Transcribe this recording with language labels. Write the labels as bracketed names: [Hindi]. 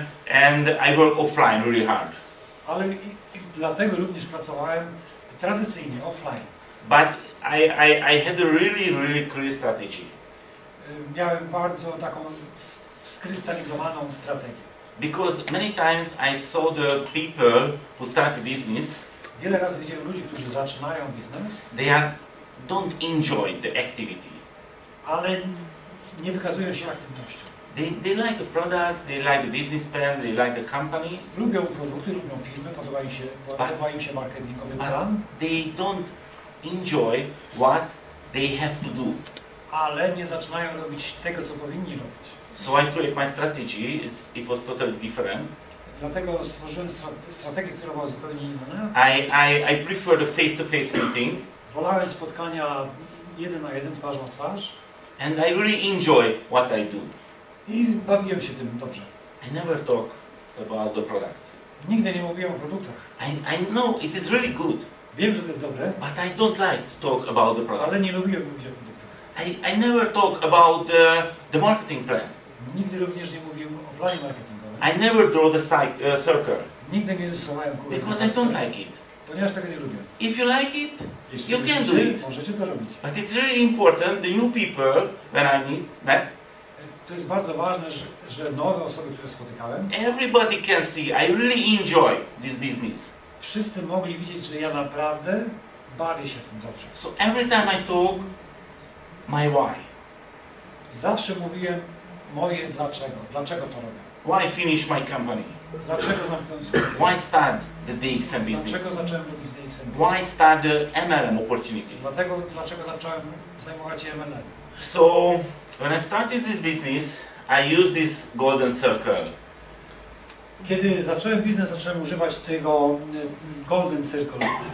[English] And I work offline really hard. [Polish] Ale i dlatego również pracowałem tradycyjnie, offline. [English] But I had a really, really clear strategy. [Polish] Miałem bardzo taką skrystalizowaną strategię. [English] Because many times I saw the people who start business. [Polish] Wiele razy widziałem ludzi, którzy zaczynają biznes. [English] They don't enjoy the activity. [Polish] Ale nie wykazują się aktywnością. [English] They like the products, they like the business plan, they like the company. [Polish] Lubią produkty, lubią firmy, podoba im się marketingowy plan. [English] They don't enjoy what they have to do. [Polish] Ale nie zaczynają robić tego, co powinni robić. [English] So I created my strategy, it was totally different. [Polish] Dlatego stworzyłem strategię, która była zupełnie inna. [English] I prefer the face-to-face meeting. [Polish] Wolałem spotkania jeden na jeden, twarzą twarz. [English] And I really enjoy what I do. [Polish] I bawiłem się tym dobrze. [English] I never talk about the product. [Polish] Nigdy nie mówiłem o produktach. [English] I know it is really good. [Polish] Wiem, że to jest dobre. [English] But I don't like to talk about the product. [Polish] Ale nie lubiłem mówić o produktach. [English] I never talk about the marketing plan. [Polish] Nigdy również nie mówiłem o planie marketingu. [English] I never draw the circle. [Polish] Nigdy nie rysowałem kółka. [English] Because I don't like it. [Polish] Ponieważ tego nie lubię. [English] If you like it, [Polish] jeśli [English] you can do it. [Polish] Możecie to robić. [English] But it's really important, the new people, when I met. [Polish] To jest bardzo ważne, że nowe osoby, które spotykałem. [English] Everybody can see, I really enjoy this business. [Polish] Wszyscy mogli widzieć, że ja naprawdę bawię się tym dobrze. [English] So every time I talk, my why. [Polish] Zawsze mówiłem moje dlaczego. Dlaczego to robię? [English] Why finish my company? [Polish] Dlaczego zamknąłem swój? [English] Why start the DXM business? [Polish] Dlaczego zacząłem robić DXM business? [English] Why start the MLM opportunity? [Polish] Dlaczego zacząłem zajmować się MLM? [English] So, when I started this business, I used this golden circle. [Polish] Kiedy zacząłem biznes, zacząłem używać tego golden circle.